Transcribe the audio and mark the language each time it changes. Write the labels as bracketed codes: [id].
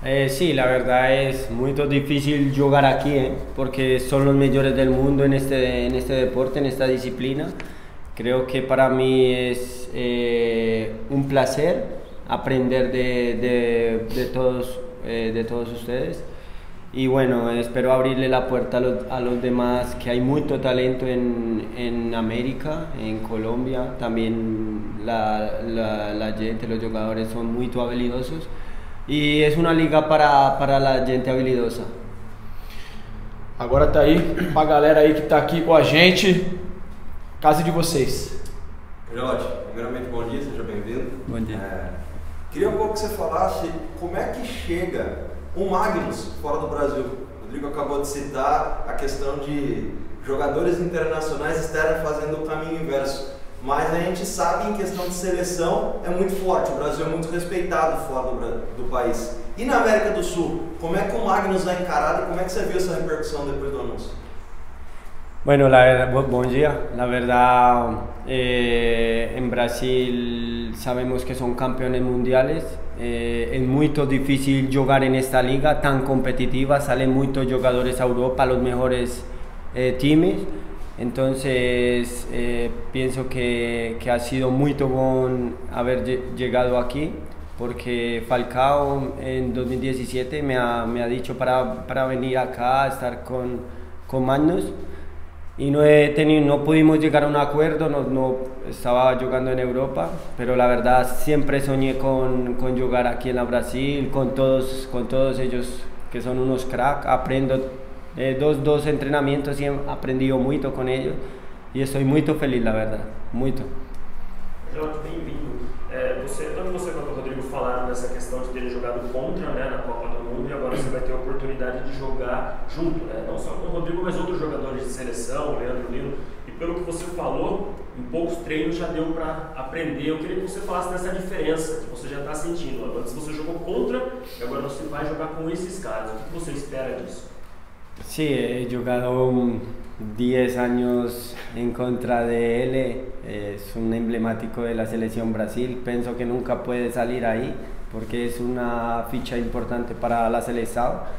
[pt] Sim, a verdade é muito difícil jogar aqui, hein? Porque são os melhores do mundo neste deporte, nesta disciplina. Creio que para mim é um prazer aprender de todos vocês. [es] Y bueno, espero abrirle la puerta a los demás, que hay mucho talento en América, en Colombia, también la gente, los jugadores son muy habilidosos y es una liga para la gente habilidosa. Ahora está ahí, para la galera ahí que está aquí con [pt] a gente, casa de vocês. Jorge, [es] primeramente, buen día, [pt] seja bem-vindo. [es] Buen día. [pt] Queria um pouco que você falasse como é que chega o Magnus fora do Brasil. O Rodrigo acabou de citar a questão de jogadores internacionais estarem fazendo o caminho inverso. Mas a gente sabe, em questão de seleção, é muito forte. O Brasil é muito respeitado fora do país. E na América do Sul, como é que o Magnus é encarado e como é que você viu essa repercussão depois do anúncio? [es] Bueno, [pt] bom dia. [es] La verdad, en Brasil sabemos que son campeones mundiales. Es muy difícil jugar en esta liga tan competitiva. Salen muchos jugadores a Europa, los mejores teams. Entonces, pienso que ha sido muy bueno haber llegado aquí, porque Falcao en 2017 me ha dicho para venir acá a estar con Magnus. Y no pudimos llegar a un acuerdo, no estaba jugando en Europa, pero la verdad siempre soñé con jugar aquí en la Brasil, con todos ellos que son unos cracks. Aprendo dos entrenamientos y he aprendido mucho con ellos y estoy muy feliz, la verdad, mucho. [pt] Bem-vindo. Tanto você quanto o Rodrigo falaram dessa questão de ter jogado contra, né, na Copa do Mundo, e agora você vai ter a oportunidade de jogar junto, né? Não só com o Rodrigo, mas outros jogadores de seleção, o Leandro, o Lino. E pelo que você falou, em poucos treinos já deu para aprender. Eu queria que você falasse dessa diferença que você já está sentindo. Antes você jogou contra e agora você vai jogar com esses caras. O que você espera disso? [es] Sim, sí, [pt] eu jogado [es] 10 años en contra de él, es un emblemático de la selección Brasil. Pienso que nunca puede salir ahí porque es una ficha importante para la selección.